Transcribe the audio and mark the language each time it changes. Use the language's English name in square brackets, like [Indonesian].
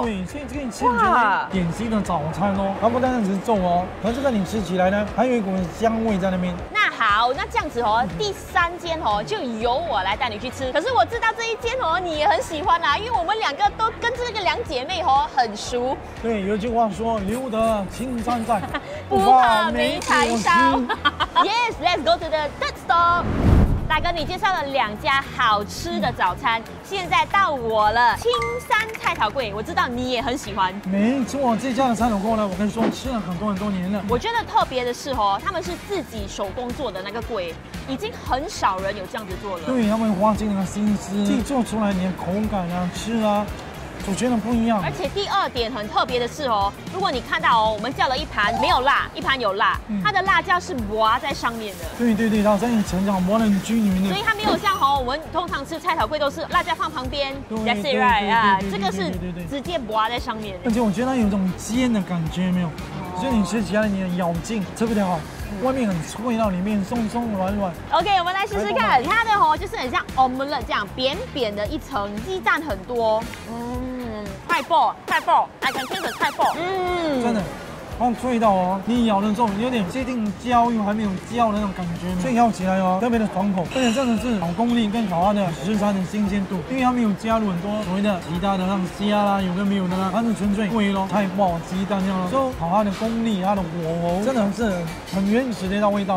[Chinese] 对，所以这个你吃，点心的早餐哦，它不单单只是粥哦，它这个你吃起来呢，还有一股香味在那边。那好。好，那这样子哦，第三间哦，就由我来带你去吃。可是我知道这一间哦，你也很喜欢啦、啊，因为我们两个都跟这个两姐妹哦很熟。对，有句话说，留得青山在，不怕没柴烧。 [English] Yes, let's go to the third stop。 [Chinese] 大哥，你介绍了两家好吃的早餐，现在到我了。青山菜头粿，我知道你也很喜欢。没错，这家的菜头粿呢，我跟你说吃了很多很多年了。我觉得特别的是哦，他们是自己手工做的那个粿，已经很少人有这样子做了。对，他们花尽了心思，自己做出来，你的口感啊，吃啊。我觉得不一样，而且第二点很特别的是哦，如果你看到哦，我们叫了一盘没有辣，一盘有辣，它的辣椒是磨在上面的。对对对，它在一层这样磨得很均匀的，所以它没有像哦，我们通常吃菜头粿都是辣椒放旁边 [English] ，That's it right 啊， [Chinese] 这个是直接磨在上面。而且我觉得它有一种煎的感觉，没有，所以你吃起来你的咬劲特别的好。外面很脆，到里面松松软软。 OK， 我们来试试看，它的哦就是很像 omelette 这样扁扁的一层，鸡蛋很多。嗯，菜包，菜包 ， [English] I can taste the [Chinese] 菜包。嗯，真的，好脆到哦，你咬的时候有点接近焦，又还没有焦的那种感觉，所以咬起来哦特别的爽口。而且真的是好功力跟烤鸭的食材的新鲜度，因为它没有加入很多所谓的其他的那种虾啦，有跟没有的啦，它是纯粹味咯，菜包鸡蛋这样咯，所以烤鸭的功力，它的火候真的是很原始的那道味道。